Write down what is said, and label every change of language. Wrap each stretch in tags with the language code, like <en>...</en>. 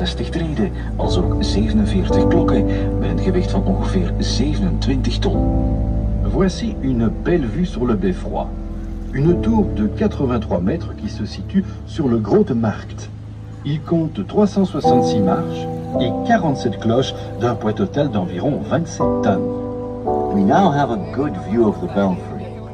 <nl>Treden, als ook 47 klokken met een gewicht van ongeveer 27 ton.</nl> <fr>Voici une belle vue sur le beffroi, une tour de 83 mètres qui se situe sur le Grote Markt. Il compte 366 marches et 47 cloches d'un poids total d'environ 27 tonnes.</fr> <en>We now have a good view of the belfry.</en>